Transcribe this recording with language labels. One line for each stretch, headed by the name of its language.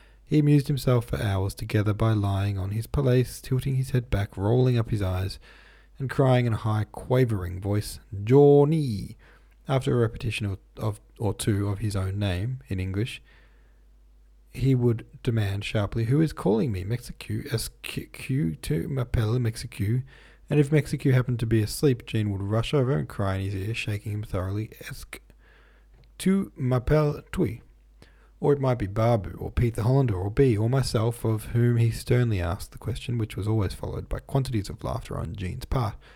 English: He amused himself for hours together by lying on his palais, tilting his head back, rolling up his eyes, and crying in a high, quavering voice, "Johnny," after a repetition of two of his own name in English. He would demand sharply, "Who is calling me? Mexico?
French: Est-ce tu m'appelles Mexico?"
English: And if Mexico happened to be asleep, Jean would rush over and cry in his ear, shaking him thoroughly,
French: "Est-ce tu m'appelles tu?"
English: Or it might be Babu, or Pete the Hollander, or B, or myself, of whom he sternly asked the question, which was always followed by quantities of laughter on Jean's part.